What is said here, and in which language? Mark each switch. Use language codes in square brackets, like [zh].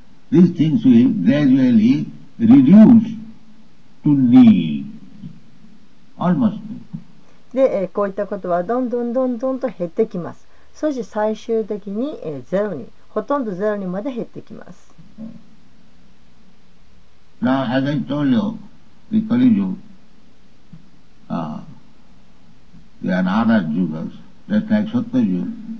[en] These things will gradually reduce to need, almost need. [ja] で、こういったことはどんどんどんどんと減ってきます。そして最終的に、ゼロに。ほとんどゼロにまで減ってきます。 [en] Now, as I told you, the Kali Yuga, they are Nara Yugas, just like Satya Yuga.